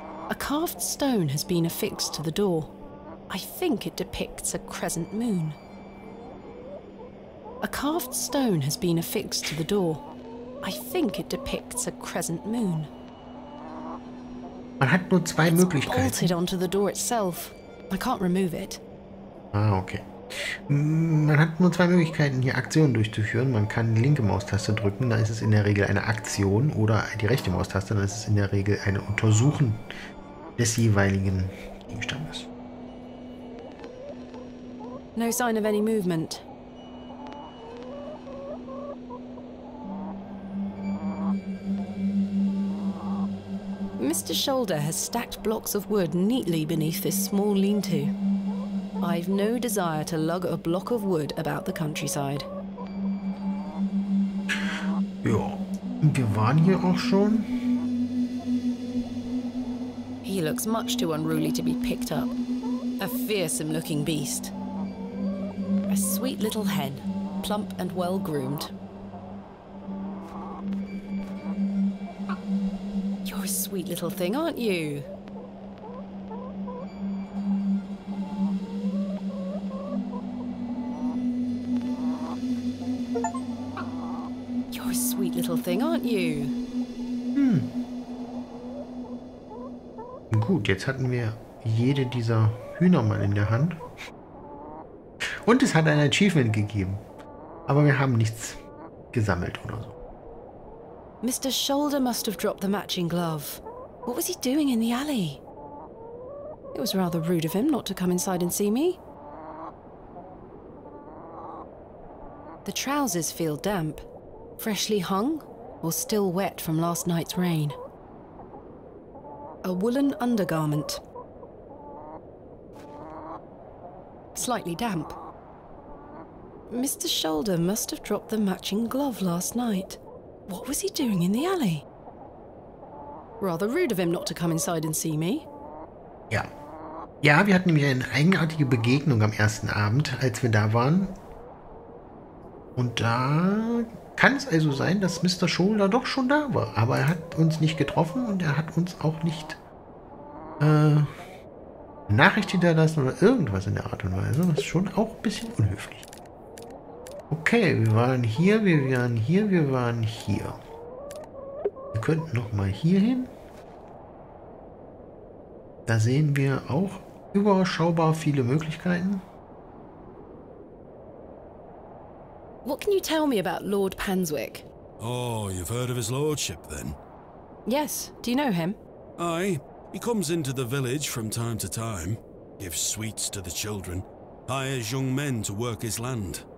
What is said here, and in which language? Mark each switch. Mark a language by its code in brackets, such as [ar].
[en] A carved stone has been affixed to the door. I think it depicts a crescent moon. A carved stone has been affixed to the door. I think it depicts a crescent moon. [de] Man hat nur zwei [en] It's [de] Möglichkeiten. [en] It's bolted onto the door itself. I can't remove it. Ah, okay. [de] Man hat nur zwei Möglichkeiten, hier Aktionen durchzuführen. Man kann die linke Maustaste drücken, dann ist es in der Regel eine Aktion. Oder die rechte Maustaste, dann ist es in der Regel eine Untersuchung des jeweiligen Gegenstandes. [en] No sign of any movement. Mr. Shoulder has stacked blocks of wood neatly beneath this small lean-to. I've no desire to lug a block of wood about the countryside. [de] Ja, wir waren hier auch schon. [en] He looks much too unruly to be picked up. A fearsome-looking beast. A sweet little hen, plump and well-groomed. Sweet little thing, aren't you? You're a sweet little thing, aren't you? Hmm. [de] gut, jetzt hatten wir jede dieser Hühner mal in der Hand. Und es hat ein Achievement gegeben. Aber wir haben nichts gesammelt oder so. [en] Mr. Shoulder must have dropped the matching glove. What was he doing in the alley? It was rather rude of him not to come inside and see me. The trousers feel damp. Freshly hung or still wet from last night's rain. A woolen undergarment. Slightly damp. Mr. Shoulder must have dropped the matching glove last night. What was he doing in the alley? Rather rude of him not to come inside and see me. [de] Ja. Ja, wir hatten nämlich eine eigenartige Begegnung am ersten Abend, als wir da waren. Und da kann es also sein, dass Mr. Shoulder doch schon da war. Aber er hat uns nicht getroffen und er hat uns auch nicht Nachricht hinterlassen oder irgendwas in der Art und Weise. Das ist schon auch ein bisschen unhöflich. Okay, wir waren hier, wir waren hier, wir waren hier. Wir könnten nochmal hier hin. Da sehen wir auch überschaubar viele Möglichkeiten. [en] What can you tell me about Lord Panswick? Oh, you've heard of his lordship, then? Yes, do you know him? Aye, he comes into the village from time to time, gives sweets to the children, hires young men to work his land.